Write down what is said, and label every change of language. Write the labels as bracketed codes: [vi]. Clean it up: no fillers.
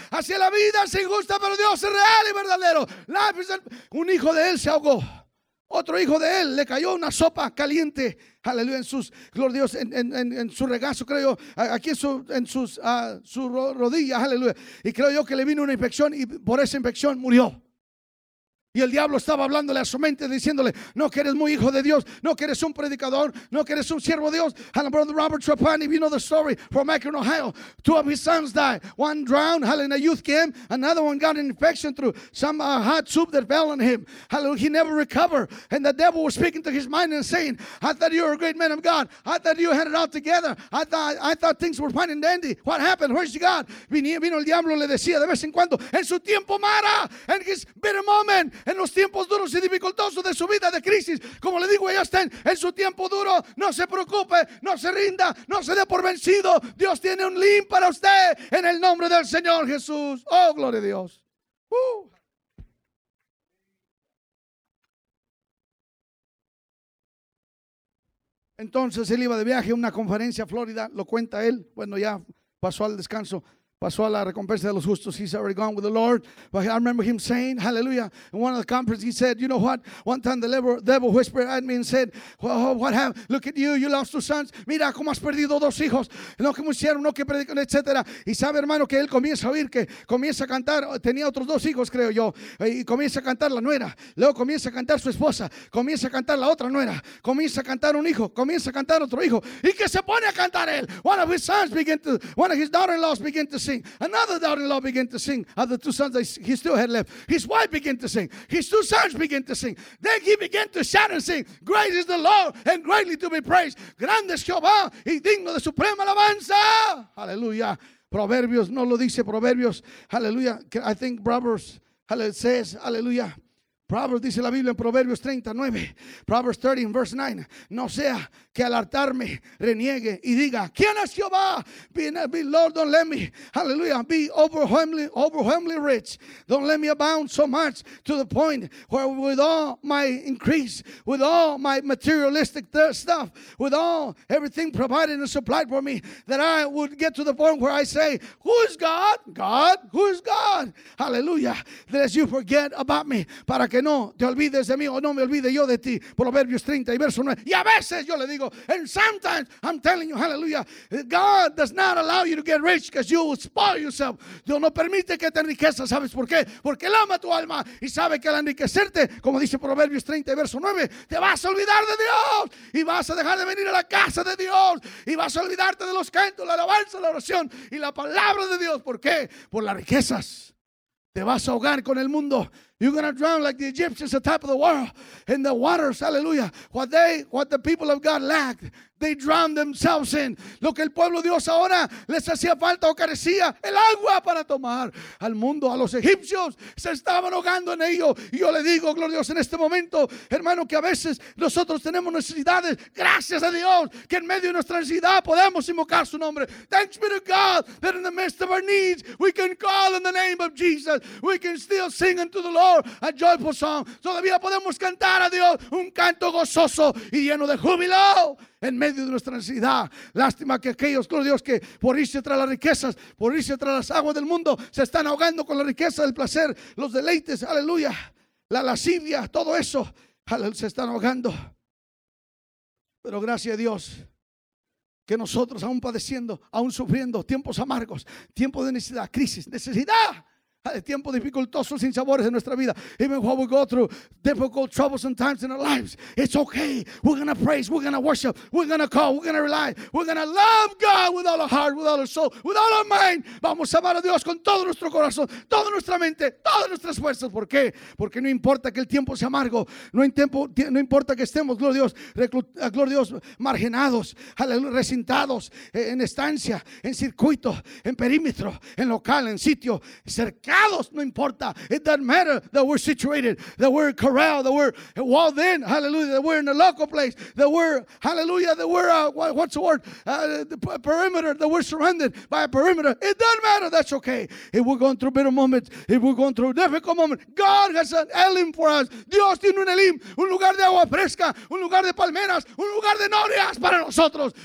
[es] Así es la vida, es injusta, pero Dios es real y verdadero. Un hijo de él se ahogó, otro hijo de él le cayó una sopa caliente, aleluya, en sus, gloria a Dios, en su regazo, creo yo, aquí en su rodilla, aleluya. Y creo yo que le vino una infección y por esa infección murió. Y el diablo estaba hablándole a su mente, diciéndole, no que eres muy hijo de Dios, no que eres un predicador, no que eres un siervo de Dios. [en] And brother Robert Trapani, if you know the story from Akron, Ohio, two of his sons died. One drowned, hallelujah, a youth came. Another one got an infection through some hot soup that fell on him. Hallelujah, he never recovered. And the devil was speaking to his mind and saying, I thought you were a great man of God. I thought you had it all together. I thought things were fine and dandy. What happened? Where's God? [es] Vino el diablo, le decía de vez en cuando, en su tiempo mara, en [en] his bitter moment. [es] En los tiempos duros y dificultosos de su vida, de crisis, como le digo, ellos están en su tiempo duro. No se preocupe, no se rinda, no se dé por vencido. Dios tiene un Elim para usted en el nombre del Señor Jesús. Oh, gloria a Dios. Entonces él iba de viaje a una conferencia a Florida, lo cuenta él. Bueno, ya pasó al descanso. Pasó a la recompensa de los justos. [en] He's already gone with the Lord. But I remember him saying, hallelujah, in one of the conferences, he said, you know what? One time the devil whispered at me and said, well, oh, what have, look at you, you lost two sons. [es] Mira, cómo has perdido dos hijos. No que murieron, no que predican, etc. Y sabe, hermano, que él comienza a oír, que comienza a cantar. Tenía otros dos hijos, creo yo. Y comienza a cantar la nuera. Luego comienza a cantar su esposa. Comienza a cantar la otra nuera. Comienza a cantar un hijo. Comienza a cantar otro hijo. Y que se pone a cantar él. [en] One of his daughter-in-laws began to sing. Another daughter-in-law began to sing of the two sons that he still had left. His wife began to sing. His two sons began to sing. Then he began to shout and sing, great is the Lord and greatly to be praised. [es] Grande es Jehová y digno de suprema alabanza. Hallelujah. Proverbios, no lo dice Proverbios. [en] Hallelujah. I think Proverbs says, hallelujah. [es] Proverbs dice la Biblia en Proverbios 39. [en] Proverbs 30 and verse 9. [es] No sea que al hartarme reniegue y diga, ¿quién es Jehová? [en] Be Lord, don't let me, hallelujah, be overwhelmingly rich. Don't let me abound so much to the point where with all my increase, with all my materialistic stuff, with all everything provided and supplied for me, that I would get to the point where I say, who is God? God? Who is God? Hallelujah. Lest you forget about me, [es] para que no te olvides de mí o no me olvide yo de ti. Proverbios 30 y verso 9. Y a veces yo le digo, [en] and sometimes I'm telling you, hallelujah, God does not allow you to get rich because you will spoil yourself. [es] Dios no permite que te enriquezas. ¿Sabes por qué? Porque él ama tu alma y sabe que al enriquecerte, como dice Proverbios 30 y verso 9, te vas a olvidar de Dios y vas a dejar de venir a la casa de Dios y vas a olvidarte de los cantos, la alabanza, la oración y la palabra de Dios. ¿Por qué? Por las riquezas. Te vas a ahogar con el mundo. [en] You're going to drown like the Egyptians at the top of the world. In the waters, hallelujah. What the people of God lacked, they drowned themselves in. [es] Lo que el pueblo de Dios ahora les hacía falta o carecía, el agua para tomar. Al mundo, a los egipcios, se estaban ahogando en ello. Y yo le digo, gloria a Dios, en este momento, hermano, que a veces nosotros tenemos necesidades. Gracias a Dios, que en medio de nuestra necesidad podemos invocar su nombre. [en] Thanks be to God that in the midst of our needs, we can call in the name of Jesus. We can still sing unto the Lord a joyful song. [es] Todavía podemos cantar a Dios un canto gozoso y lleno de júbilo. En medio de nuestra necesidad, lástima que aquellos, gloria a Dios, que por irse tras las riquezas, por irse tras las aguas del mundo, se están ahogando con la riqueza, el placer, los deleites, aleluya, la lascivia, todo eso, se están ahogando. Pero gracias a Dios, que nosotros aún padeciendo, aún sufriendo tiempos amargos, tiempos de necesidad, crisis, necesidad, Hay tiempos dificultosos sin sabores en nuestra vida. [en] Even while we go through difficult troubles and times in our lives, it's okay. We're going to praise. We're going to worship. We're going to call. We're going to rely. We're going to love God with all our heart, with all our soul, with all our mind. [es] Vamos a amar a Dios con todo nuestro corazón, toda nuestra mente, todas nuestras fuerzas. ¿Por qué? Porque no importa que el tiempo sea amargo. No importa que estemos, gloria a Dios, marginados, recintados, en estancia, en circuito, en perímetro, en local, en sitio, cerca. Cados, no importa. [en] It doesn't matter that we're situated, that we're corralled, that we're walled in, hallelujah, that we're in a local place, that we're, hallelujah, that we're, the perimeter, that we're surrounded by a perimeter. It doesn't matter. That's okay. If we're going through bitter moments, if we're going through a difficult moment, God has an Elim for us. [es] Dios tiene un Elim, un lugar de agua fresca, un lugar de palmeras, un lugar de norias para nosotros.